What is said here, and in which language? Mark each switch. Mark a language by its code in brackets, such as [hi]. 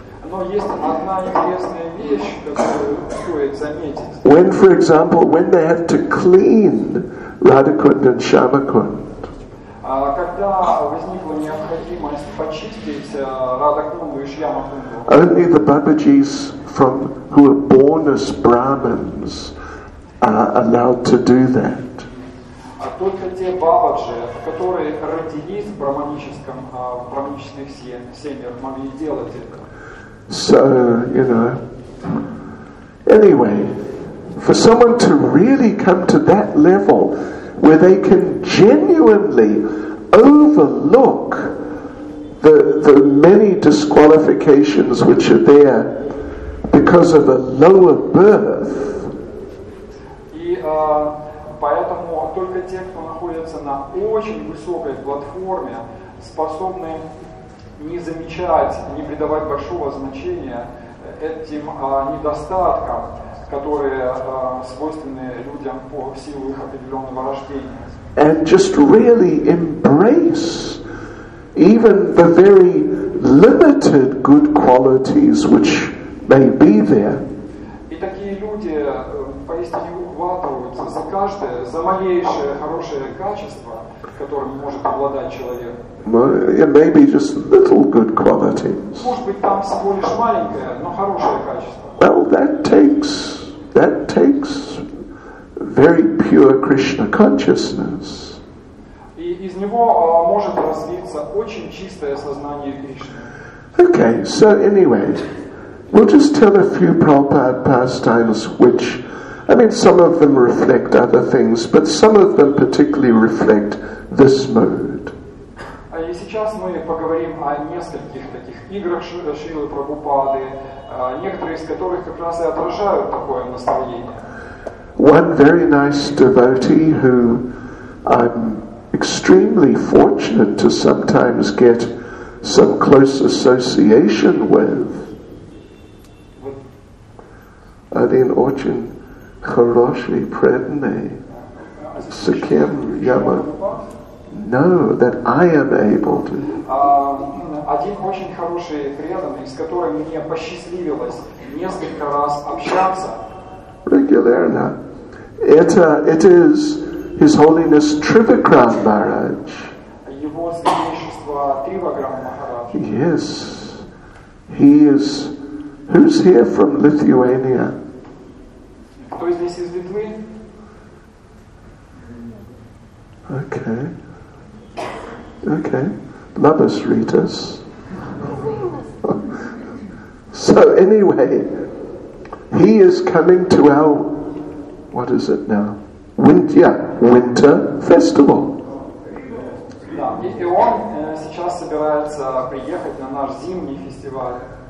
[ru] Но есть одна интересная вещь, которую стоит заметить. [en] When, for example, when they have to clean Radhakund and Shyamakund. [ru] Когда возникла необходимость почистить Радхакунду и Шьямакунду, [en] only the Бабаджис who are born as Brahmins are allowed to do that. [ru] Только те Бабаджи, которые родились в брахманических семьях, могли делать это. [en] So, you know. Anyway, for someone to really come to that level where they can genuinely overlook the many disqualifications which are there because of a lower birth. [ru] И поэтому только те, кто находится на очень высокой платформе, способны не замечать, не придавать большого значения этим недостаткам, которые свойственны людям по силу их определенного рождения. [en] And just really embrace even the very limited good qualities which may be there. [ru] И такие люди поистине ухватываются за каждое, за малейшее хорошее качество, которым может обладать человек. [en] Well, maybe just little good qualities. [ru] Может быть, там всего лишь маленькое, но хорошее качество. [en] Well, that takes very pure Krishna consciousness. [ru] И из него может развиться очень чистое сознание Кришны. [en] Okay, so anyway, we'll just tell a few Prabhupada pastimes which, I mean, some of them reflect other things, but some of them particularly reflect this mode. [ru] И сейчас мы поговорим о нескольких таких играх Шрилы Прабхупады, некоторые из которых как раз и отражают такое настроение. [en] One very nice devotee who I'm extremely fortunate to sometimes get some close association with. [ru] Один очень хороший преданный. Сакем Яма. [en] No, that I am able to. [ru] Один очень хороший преданный, с которым мне посчастливилось несколько раз общаться. Регулярно. [en] It is His Holiness Trivikram Maharaj. [ru] Его святейшество Тривикрам Махарадж. [en] Yes. He is... Who's here from Lithuania? [ru] Кто здесь из Литвы? [en] Okay. Okay. [lt] Labas Rytas. [en] So anyway, he is coming to our, what is it now? Winter festival. [ru] Да, и он сейчас собирается приехать на наш зимний фестиваль.